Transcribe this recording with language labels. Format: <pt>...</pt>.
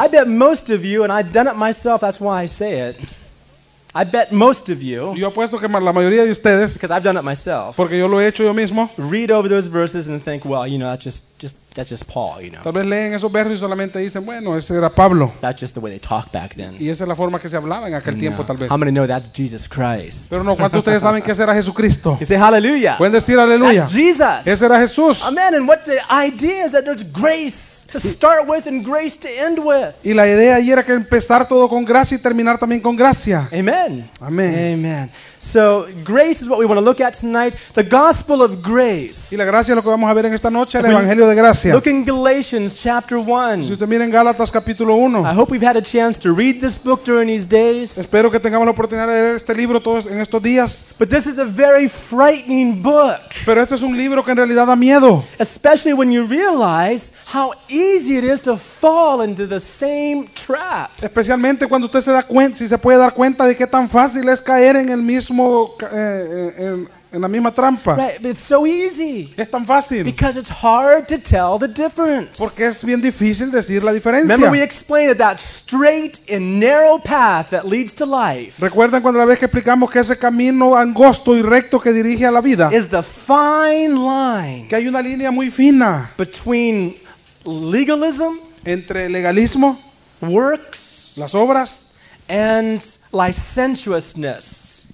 <en>I bet most of you, and I've done it myself, that's why I say it. I bet most of you.</en> <es>Yo apuesto que la mayoría de ustedes.</es> <en>Because I've done it myself.</en> <es>Porque yo lo he hecho yo mismo.</es> <en>Read over those verses and think, well, you know, that's just Paul, you know.</en> <es>Tal vez leen esos versos y solamente dicen, bueno, ese era Pablo.</es> <en>That's just the way they talked back then.</en> <es>Y esa es la forma que se hablaba en aquel tiempo, tal vez.</es> <en>How many know that's Jesus Christ?</en> <es>Pero no, ¿cuántos ustedes saben que ese era Jesucristo?</es> <en>You say hallelujah.</en> <es>Pueden decir aleluya.</es> <en>That's Jesus.</en> <es>Ese era Jesús.</es> <en>Amen. And what the idea is that there's grace to start with and grace to end with.</en> <es>Y la idea ahí era que empezar todo con gracia y terminar también con gracia.</es> <en>Amen. Amen. Amen. So grace is what we want to look at tonight, the gospel of grace.</en> <es>Y la gracia es lo que vamos a ver en esta noche, el evangelio de gracia.</es> <en>Look in Galatians chapter 1.</en> <es>Si usted mira en Gálatas capítulo 1.</es> <en>I hope we've had a chance to read this book during these days.</en> <es>Espero que tengamos la oportunidad de leer este libro todos en estos días.</es> <en>But this is a very frightening book.</en> <es>Pero esto es un libro que en realidad da miedo.</es> <en>Especially when you realize how easy it is to fall into the same trap.</en> <es>Especialmente cuando usted se da cuenta, si se puede dar cuenta de qué tan fácil es caer en el mismo en la misma trampa.</es> <en>Right, but it's so easy.</en> <es>Es tan fácil.</es> <en>Because it's hard to tell the difference.</en> <es>Porque es bien difícil decir la diferencia.</es> <en>Remember we explained that straight and narrow path that leads to life.</en> <es>¿Recuerdan cuando la vez que explicamos que ese camino angosto y recto que dirige a la vida?</es> <en>Is the fine line.</en> <es>Que hay una línea muy fina.</es> <en>Between legalism,</en> <es>entre legalismo,</es> <en>works,</en> <es>las obras,</es> <en>and licentiousness,</en>